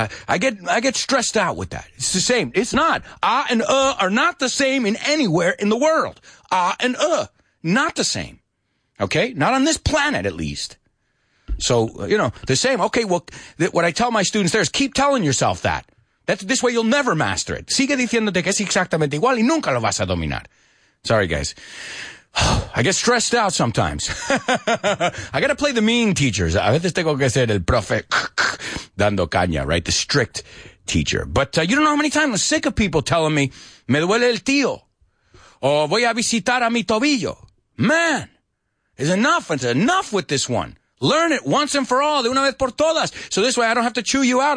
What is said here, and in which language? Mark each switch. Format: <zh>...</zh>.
<en>I get stressed out with that. It's the same. It's not. Ah and are not the same in anywhere in the world. Ah and not the same. Okay? Not on this planet, at least. So, you know, the same. Okay, well, what I tell my students there is keep telling yourself that. This way you'll never master it.</en> <es>Sigue diciéndote que es exactamente igual y nunca lo vas a dominar.</es> <en>Sorry, guys. I get stressed out sometimes. I got to play the mean teachers.</en> <es>A veces tengo que ser el profe dando caña, right?</es> <en>The strict teacher. But you don't know how many times I'm sick of people telling me,</en> <es>me duele el tío. Or voy a visitar a mi tobillo.</es> <en>Man, it's enough. It's enough with this one. Learn it once and for all,</en> <es>de una vez por todas.</es> <en>So this way I don't have to chew you out.</en>